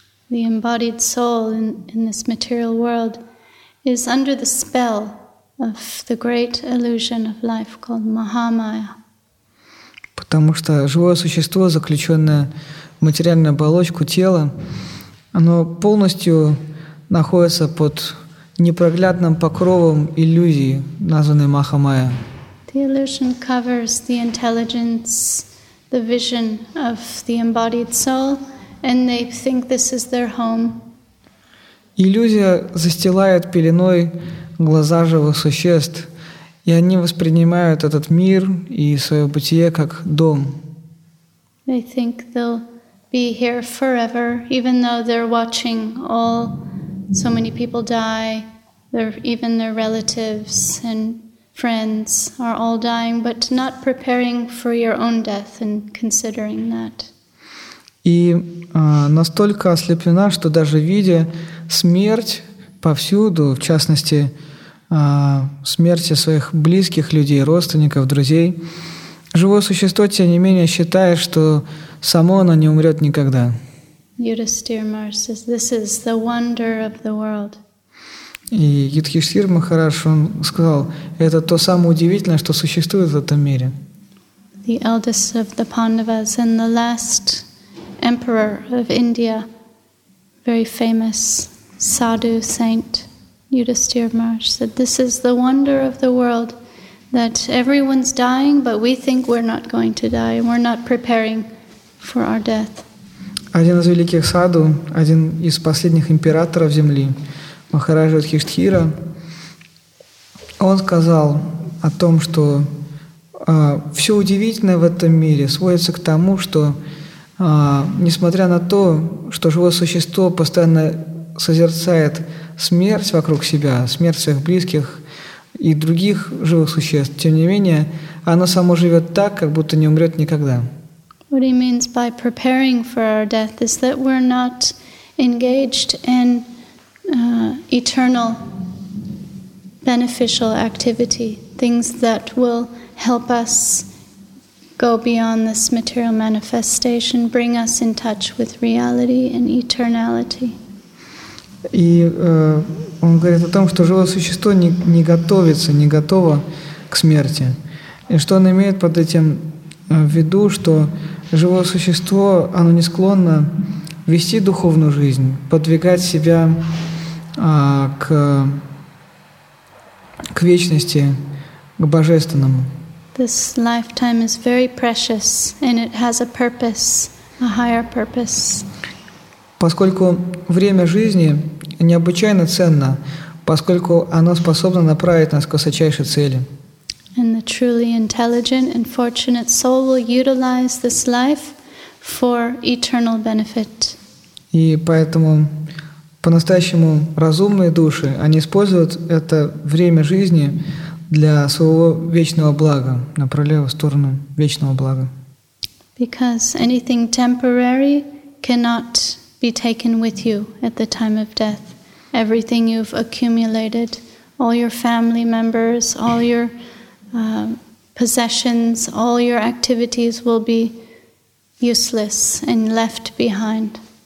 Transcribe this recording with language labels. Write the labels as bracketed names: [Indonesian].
[English] The embodied soul in this material world is under the spell of the great illusion of life called Mahamaya. [Russian] Потому что живое существо, заключенное в материальную оболочку тела, оно полностью находится под непроглядным покровом иллюзии, названной Махамая. [English] The illusion covers the intelligence, the vision of the embodied soul, and they think this is their home. [Russian] Иллюзия застилает пеленой глаза живых существ, и они воспринимают этот мир и свое бытие как дом. [English] They think they'll be here forever, even though they're watching all so many people die, even their relatives and friends are all dying, but not preparing for your own death and considering that. [Russian] И настолько ослеплена, что даже видя смерть повсюду, в частности, смерти своих близких людей, родственников, друзей, живое существо, тем не менее, считает, что само оно не умрет никогда. [English] Yudhishthira Maharaj says, this is the wonder of the world. [Russian] И Юдхиштхир Махарадж, он сказал, это то самое удивительное, что существует в этом мире. [English] The eldest of the Pandavas and the last emperor of India, very famous sadhu saint Yudhishthira Maharaj said, this is the wonder of the world, that everyone's dying, but we think we're not going to die, and we're not preparing for our death. [Russian] Один из великих саду, один из последних императоров земли, Махараджа Юдхиштхира, он сказал о том, что все удивительное в этом мире сводится к тому, что несмотря на то, что живое существо постоянно созерцает смерть вокруг себя, смерть своих близких и других живых существ, тем не менее, оно само живет так, как будто не умрет никогда. [English] What he means by preparing for our death is that we're not engaged in eternal beneficial activity, things that will help us go beyond this material manifestation, bring us in touch with reality and eternality. [Russian] И он говорит о том, что живое существо не готовится, не готово к смерти. И что он имеет под этим в виду, что живое существо, оно не склонно вести духовную жизнь, подвигать себя к вечности, к божественному. [English] This lifetime is very precious, and it has a purpose, a higher purpose. [Russian] Поскольку время жизни необычайно ценно, поскольку оно способно направить нас к высочайшей цели. [English] And the truly intelligent and fortunate soul will utilize this life for eternal benefit. [Russian] И поэтому по-настоящему разумные души, они используют это время жизни для своего вечного блага, направляя его в сторону вечного блага. [English] Because anything temporary cannot be taken with you at the time of death. Everything you've accumulated, all your family members, all your possessions, all your activities will be useless and left behind.